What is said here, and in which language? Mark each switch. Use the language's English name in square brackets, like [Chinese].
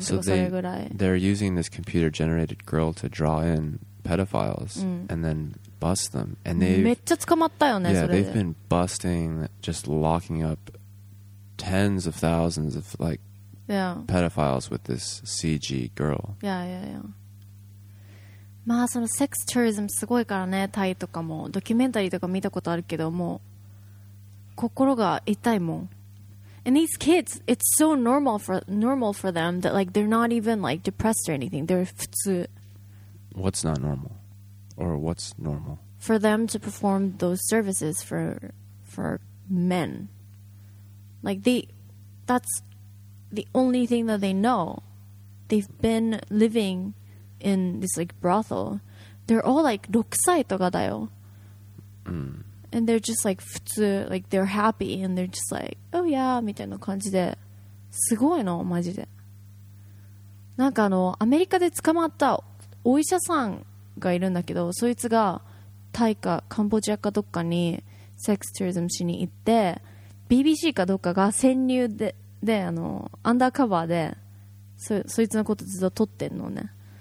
[English] So they're using this computer generated girl to draw in pedophiles and then bust them. And they've been busting, just locking up tens of thousands of like pedophiles with this CG girl. [Japanese] まあそのセクスツーリズムすごいからね、タイとかもドキュメンタリーとか見たことあるけど、もう心が痛いもん。 [English] And these kids, it's so normal for them that like they're not even like depressed or anything. They're [Japanese] 普通。 [English] What's not normal? Or what's normal? For them to perform those services for men. Like that's the only thing that they know. They've been living in this like brothel. They're all like [Japanese] 6 歳とかだよ。 [English] And they're just like [Japanese] 普通, [English] like they're happy and they're just like, oh yeah, [Japanese] みたいな感じで。すごいの、マジで。なんかあの、アメリカで捕まったお医者さんがいるんだけど、そいつがタイかカンボジアかどっかにセクスツーリズムしに行って、BBC かどっかが潜入で、であの、アンダーカバーで、そいつのことずっと撮ってんのね。